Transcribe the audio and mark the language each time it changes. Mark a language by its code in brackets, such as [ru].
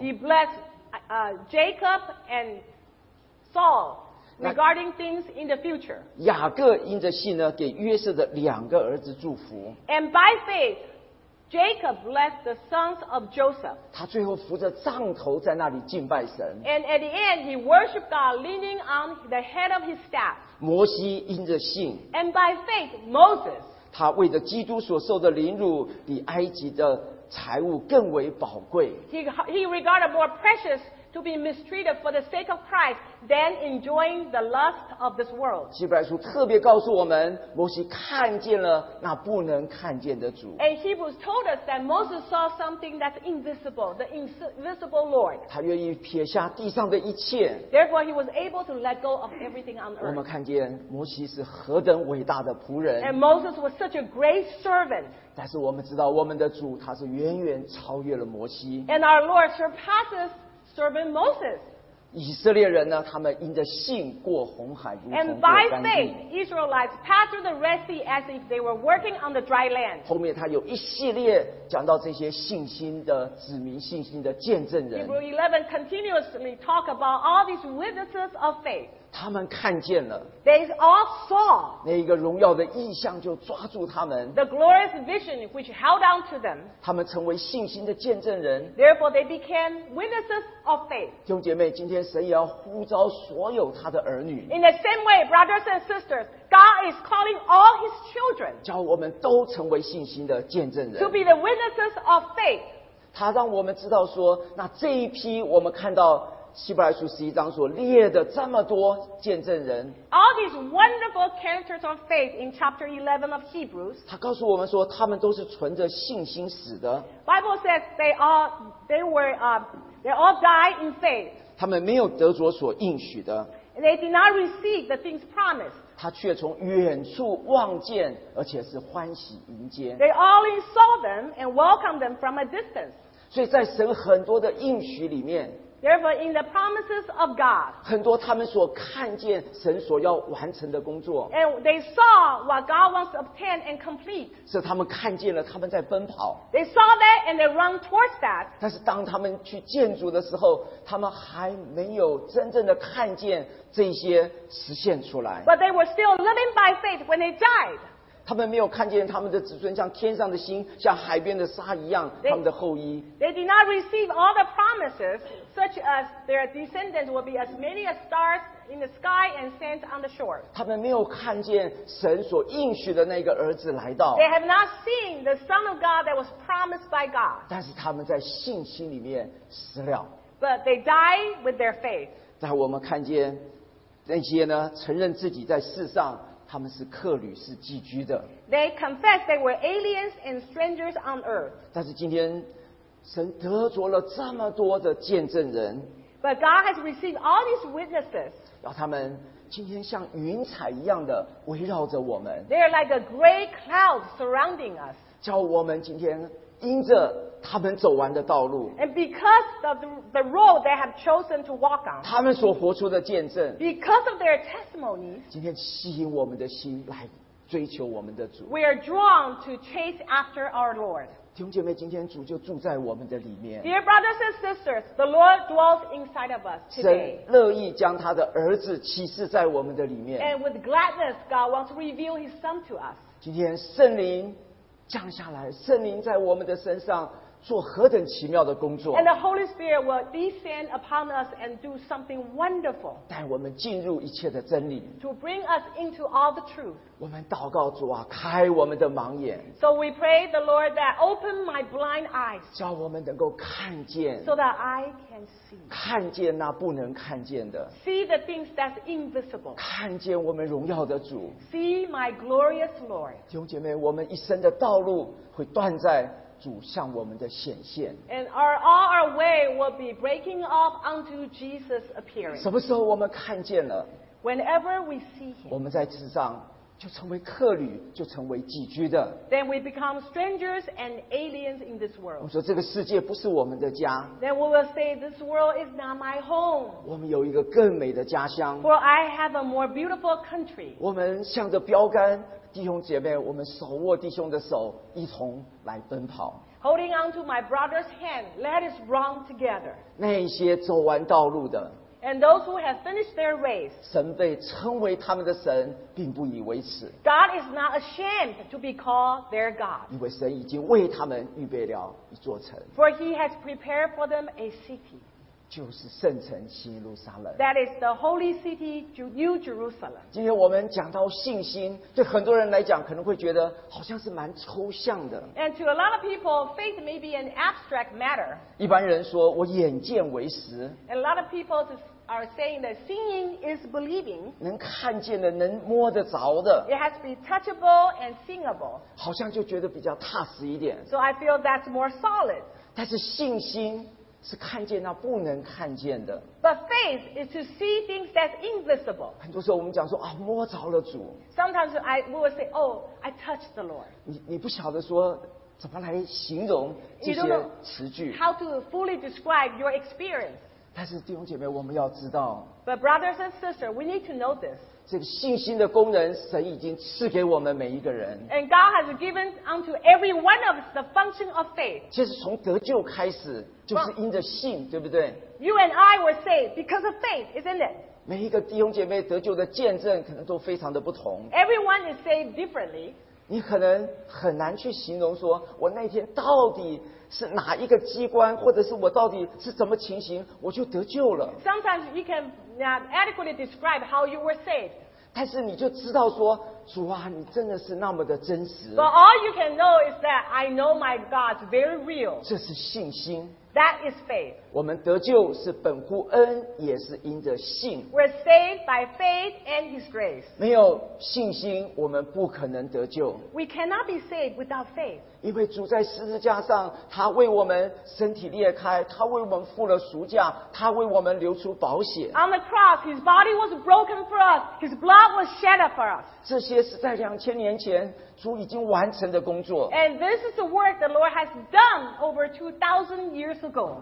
[en] he blessed Jacob and Saul regarding things in the future [zh] 雅各因着信呢给约瑟的两个儿子祝福 [en] and by faith Jacob blessed the sons of Joseph [zh] 他最后扶着杖头在那里敬拜神 [en] and at the end he worshiped God leaning on the head of his staff [zh] 摩西因着信 [en] and by faith Moses [zh] 他为着基督所受的凌辱比埃及的财物更为宝贵 [en] he regarded more precious to be mistreated for the sake of Christ than enjoying the lust of this world. [zh] 希伯来书特别告诉我们，摩西看见了那不能看见的主。 [en] And Hebrews told us that Moses saw something that's invisible, the invisible Lord. [zh] 他愿意撇下地上的一切。 [en] Therefore, he was able to let go of everything on earth. [zh] 我们看见摩西是何等伟大的仆人。 [en] And Moses was such a great servant. [zh] 但是我们知道我们的主他是远远超越了摩西。 [en] And our Lord surpasses servant Moses. [zh] 以色列人呢他们因着信过红海如同过干地。 [en] And by faith, Israelites passed through the Red Sea as if they were working on the dry land. [zh] 后面他有一系列讲到这些信心的子民信心的见证人。 [en] Hebrews 11 continuously talk about all these witnesses of faith. [zh] 他们看见了 [en] They all saw [zh] 那一个荣耀的意象就抓住他们 [en] The glorious vision which held on to them [zh] 他们成为信心的见证人 [en] Therefore they became witnesses of faith [zh] 弟兄姐妹今天神也要呼召所有他的儿女 [en] In the same way brothers and sisters God is calling all his children [zh] 叫我们都成为信心的见证人 [en] To be the witnesses of faith [zh] 他让我们知道说那这一批我们看到希伯来书十一章所列的这么多见证人 [en] All these wonderful characters of faith in chapter 11 of Hebrews [zh] 他告诉我们说他们都是存着信心死的 [en] Bible says they all died in faith [zh] 他们没有得着所应许的 [en] They did not receive the things promised [zh] 他却从远处望见而且是欢喜迎接 [en] They all saw them and welcomed them from a distance [zh] 所以在神很多的应许里面 [en] Therefore, in the promises of God, [zh] 很多他们所看见神所要完成的工作 [en] and they saw what God wants to obtain and complete. [zh] 是他们看见了他们在奔跑 [en] They saw that and they run towards that. [zh] 但是当他们去建筑的时候，他们还没有真正的看见这些实现出来 [en] But they were still living by faith when they died. [zh] 他们没有看见他们的子孙像天上的星像海边的沙一样 [en] they, [zh] 他们的后裔 [en] They did not receive all the promises such as their descendants will be as many as stars in the sky and sands on the shore [zh] 他们没有看见神所应许的那个儿子来到 [en] They have not seen the Son of God that was promised by God [zh] 但是他们在信心里面死了 [en] But they died with their faith [zh] 在我们看见那些呢承认自己在世上他们是客旅是寄居的 [en] They confessed they were aliens and strangers on earth [zh] 但是今天神得着了这么多的见证人 [en] But God has received all these witnesses [zh] 要他们今天像云彩一样的围绕着我们 [en] They are like a gray cloud surrounding us [zh] 叫我们今天因着他们走完的道路 [en] And because of the road they have chosen to walk on [zh] 他们所活出的见证 [en] Because of their testimonies [zh] 今天吸引我们的心来追求我们的主 [en] We are drawn to chase after our Lord [zh] 弟兄姐妹今天主就住在我们的里面 [en] Dear brothers and sisters The Lord dwells inside of us today [zh] 神乐意将他的儿子启示在我们的里面 [en] And with gladness God wants to reveal his son to us [zh] 今天圣灵降下来圣灵在我们的身上做何等奇妙的工作 [en] And the Holy Spirit will descend upon us and do something wonderful [zh] 带我们进入一切的真理 [en] To bring us into all the truth [zh] 我们祷告主啊开我们的盲眼 [en] So we pray the Lord that open my blind eyes [zh] 叫我们能够看见 [en] So that I can see [zh] 看见那不能看见的 [en] See the things that's invisible [zh] 看见我们荣耀的主 [en] See my glorious Lord [zh] 弟兄姐妹我们一生的道路会断在主向我们的显现 [en] And all our way will be breaking off unto Jesus appearing [zh] 什么时候我们看见了 [en] Whenever we see him [zh] 我们在世上就成为客旅就成为寄居的 [en] Then we become strangers and aliens in this world [zh] 我们说这个世界不是我们的家 [en] Then we will say this world is not my home [zh] 我们有一个更美的家乡 [en] For I have a more beautiful country [zh] 我们向着标杆弟兄姐妹我们手握弟兄的手一同来奔跑 [en] Holding on to my brother's hand Let us run together [zh] 那些走完道路的 [en] And those who have finished their race [zh] 神被称为他们的神并不以为耻 [en] God is not ashamed to be called their God [zh] 因为神已经为他们预备了一座城 [en] For he has prepared for them a city [zh] 就是圣城新耶路撒冷。 [en] That is the holy city, New Jerusalem. [zh] 今天我们讲到信心，对很多人来讲可能会觉得好像是蛮抽象的。 [en] And to a lot of people, faith may be an abstract matter. [zh] 一般人说我眼见为实。 [en] And a lot of people are saying that seeing is believing. [zh] 能看见的，能摸得着的。 [en] It has to be touchable and seeable. [zh] 好像就觉得比较踏实一点。 [en] So I feel that's more solid. [zh] 但是信心是看见那不能看见的。 [en] But faith is to see things that's invisible. [zh] 很多时候我们讲说啊，摸着了主。 [en] Sometimes I will say, oh, I touched the Lord. [zh] 你不晓得说怎么来形容这些词句。 [en] How to fully describe your experience. [zh] 但是弟兄姐妹，我们要知道。 [en] But brothers and sisters, we need to know this. [zh] 这个信心的功能，神已经赐给我们每一个人。 [en] And God has given unto every one of us the function of faith. [zh] 其实从得救开始，就是因着信， [en] well, [zh] 对不对 [en] ？You and I were saved because of faith, isn't it? [zh] 每一个弟兄姐妹得救的见证，可能都非常的不同。 [en] Everyone is saved differently. [zh] 你可能很难去形容说，我那天到底是哪一个机关，或者是我到底是怎么情形，我就得救了。 [en] Sometimes you can not adequately describe how you were saved. [zh] 但是你就知道说，主啊，你真的是那么的真实。 [en] But all you can know is that I know my God very real. [zh] 这是信心。 [en] That is faith. [zh] 我们得救是本乎恩，也是因着信。 [en] We're saved by faith and His grace. [zh] 没有信心，我们不可能得救。 [en] We cannot be saved without faith. [zh] 因为主在十字架上，他为我们身体裂开，他为我们付了赎价，他为我们流出宝血。 [en] On the cross, His body was broken for us. His blood was shed for us. [zh] 这些是在2000年前主已经完成的工作。 [en] And this is the work the Lord has done over 2,000 years ago.